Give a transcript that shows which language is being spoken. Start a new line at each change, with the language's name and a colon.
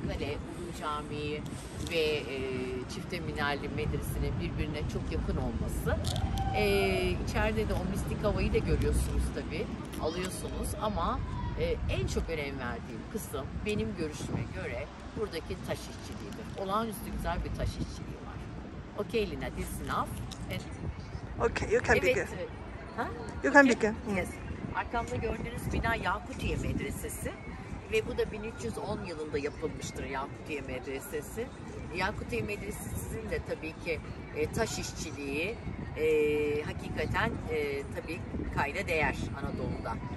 Turkish: Kale, Ulu Camii ve çifte minareli medresinin birbirine çok yakın olması. İçeride de o mistik havayı da görüyorsunuz tabii, alıyorsunuz ama en çok önem verdiğim kısım benim görüşüme göre buradaki taş işçiliğidir. Olağanüstü güzel bir taş işçiliği var.
English: Okay, Lina, this is enough. Okay, you can begin. Yes.
Turkish: Arkamda gördüğünüz bina Yakutiye Medresesi ve bu da 1310 yılında yapılmıştır Yakutiye Medresesi. Yakutiye Medresesi'nin de tabii ki taş işçiliği hakikaten tabii kayda değer Anadolu'da.